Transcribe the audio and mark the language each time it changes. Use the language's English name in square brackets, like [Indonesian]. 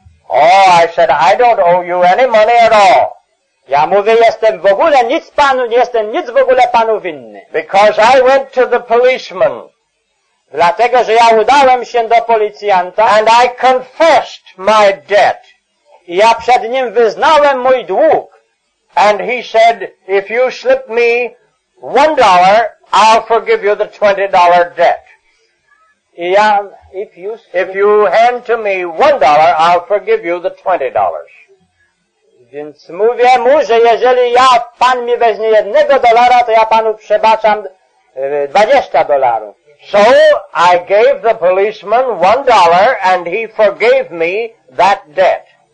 [English] Oh, I said, I don't owe you any money at all. [Polish] Ja mówię, jestem w ogóle nic panu, nie jestem nic w ogóle panu winny. [English] Because I went to the policeman. [Polish] Dlatego, że ja udałem się do policjanta. [English] And I confessed my debt. [Polish] I ja przed nim wyznałem mój dług. [English] And he said, if you slip me $1, I'll forgive you the $20 debt. Yeah, if you hand to me $1, I'll forgive you the $20. [Polish] Więc mówię mu, że jeżeli ja pan mi weźmie $1, to ja panu przebaczam $20. [English] So I gave the policeman $1 and he forgave me that debt.